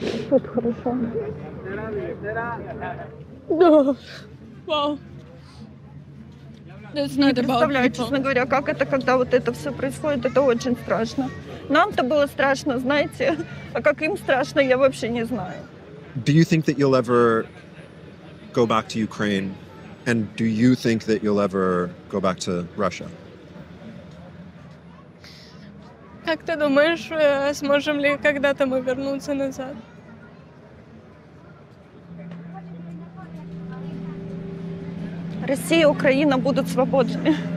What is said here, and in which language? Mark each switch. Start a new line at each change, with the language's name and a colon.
Russian: Тут хорошо. Вау. Не представляю, честно говоря, как это, когда вот это все происходит, это очень страшно. Нам-то было страшно, знаете, а как им страшно, я вообще не знаю.
English: Do you think that you'll ever go back to Ukraine? And do you think that you'll ever go back to Russia?
Russian: Как ты думаешь, сможем ли когда-то мы вернуться назад? Россия и Украина будут свободны.